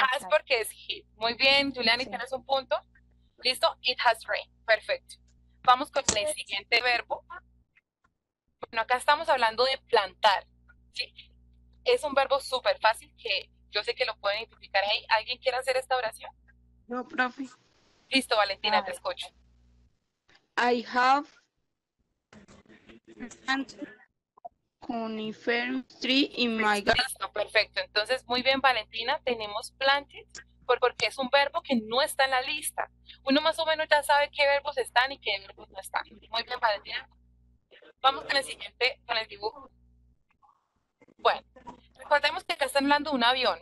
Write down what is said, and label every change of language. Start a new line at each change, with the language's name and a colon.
Spanish: Porque es he. Muy bien, Juliani, sí. Tienes un punto. Listo,
English: it has rained.
Spanish: Perfecto. Vamos con el siguiente verbo. Bueno, acá estamos hablando de plantar. ¿Sí? Es un verbo súper fácil que yo sé que lo pueden identificar ahí. ¿Alguien quiere hacer esta oración? No, profe. Listo, Valentina, te escucho.
English: I have coniferous tree in my garden.
Spanish: Listo, perfecto. Entonces, muy bien, Valentina, tenemos planted porque es un verbo que no está en la lista. Uno más o menos ya sabe qué verbos están y qué verbos no están. Muy bien, Valentina. Vamos con el siguiente, con el dibujo. Bueno, recordemos que acá están hablando de un avión.